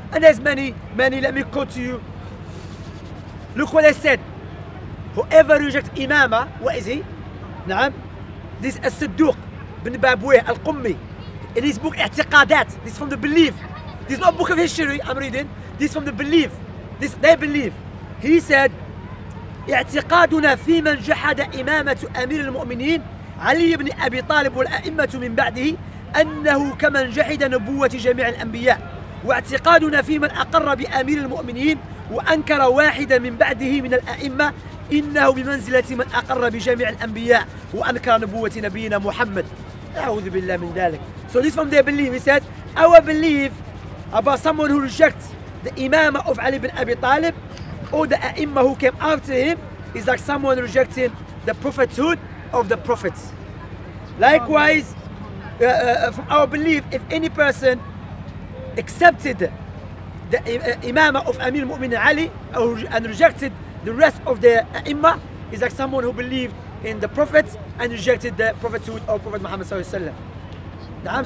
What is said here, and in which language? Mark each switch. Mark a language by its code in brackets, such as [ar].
[en] And there's many, many. Let me quote to you. Look what they said. Whoever rejects Imama, what is he? Naam. This is As-Sidduq bin Babweh Al-Qummi. In his book, I'tiqadat. This is from the belief. This is not a book of history I'm reading. This is from the belief. This, they believe. He said, [ar] اعتقادنا في من جحد إمامة أمير المؤمنين علي بن أبي طالب والأئمة من بعده أنه كمن جحد نبوة جميع الأنبياء واعتقادنا في من أقر بأمير المؤمنين وأنكر واحدا من بعده من الأئمة إنه بمنزلة من أقر بجميع الأنبياء وأنكر نبوة نبينا محمد. أعوذ بالله من ذلك. [en] So this from their belief, he said, our belief about someone who rejects the Imam of Ali bin Abi Talib or the A'imma who came after him is like someone rejecting the prophethood of the prophets. Likewise, from our belief, if any person accepted the Imama of Amir Mu'minin Ali and rejected the rest of the A'imma, is like someone who believed in the prophets and rejected the prophethood of Prophet Muhammad Sallallahu Alaihi Wasallam.